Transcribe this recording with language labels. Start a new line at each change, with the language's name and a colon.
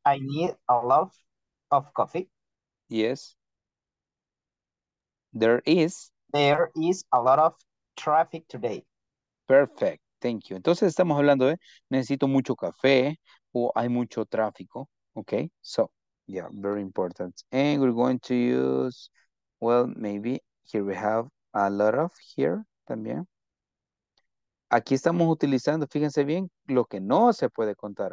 English: I need a lot of coffee. Yes. There is. There is a lot of traffic today. Perfect. Thank you.
Spanish: Entonces estamos hablando de necesito mucho café o hay mucho tráfico.
English: Okay. So, yeah, very important. And we're going to use, well, maybe here we have a lot of here
Spanish: también. Aquí estamos utilizando, fíjense bien, lo que no se puede contar.